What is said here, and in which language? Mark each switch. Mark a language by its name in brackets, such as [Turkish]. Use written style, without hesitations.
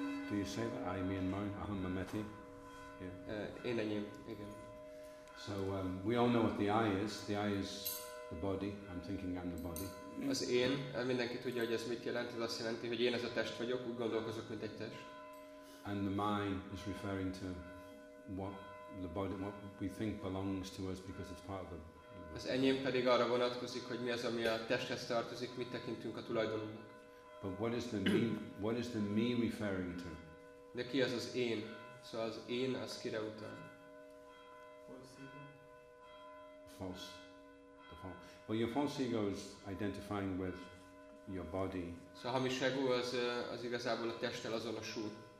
[English] Do you say that I, me and mine? [Sanskrit] Aham mameti? Yeah. [Hungarian] Én enyém, igen. [English] So we all know what the I is. The I is the body. I'm thinking I'm the body. [Hungarian] Az én, mindenki tudja, hogy ez mit jelent. Ez azt jelenti, hogy én ez a test vagyok, úgy gondolkozok, mint egy test. [English] And the mine is referring to what? The body, what we think belongs to us because it's part of the. [Hungarian] Az enyém pedig arra vonatkozik, hogy mi az, ami a testhez tartozik, mit tekintünk a tulajdonunknak. [English] But what is the me? What is the me referring to? [Hungarian] De ki az én? So az én az kire utal? [English] False. Well, your false ego is identifying with your body. [Hungarian] So a hamis ego az igazából a testtel azonosul.